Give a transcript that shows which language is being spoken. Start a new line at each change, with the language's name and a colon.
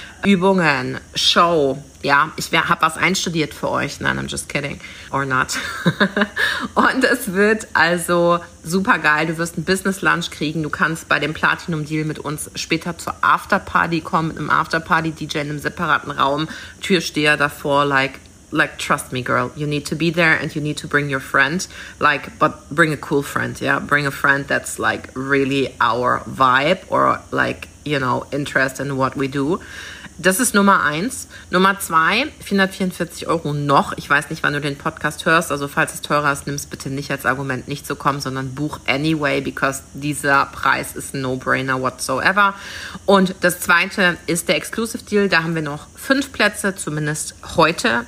German: Übungen, Show, ja, ich habe was einstudiert für euch. Nein,
English: I'm just kidding. Or not.
German: Und es wird also super geil. Du wirst ein Business Lunch kriegen. Du kannst bei dem Platinum Deal mit uns später zur Afterparty kommen. Mit einem Afterparty-DJ in einem separaten Raum. Türsteher davor,
English: like, trust me, girl. You need to be there and you need to bring your friend. Like, but bring a cool friend, yeah. Bring a friend that's like really our vibe or like, you know, interest in what we do.
German: Das ist Nummer eins. Nummer zwei, 444 Euro noch. Ich weiß nicht, wann du den Podcast hörst. Also falls es teurer ist, nimm es bitte nicht als Argument, nicht zu kommen, sondern buch
English: anyway, because
German: dieser Preis ist ein No-Brainer whatsoever. Und das zweite ist der Exclusive Deal. Da haben wir noch 5 Plätze, zumindest heute.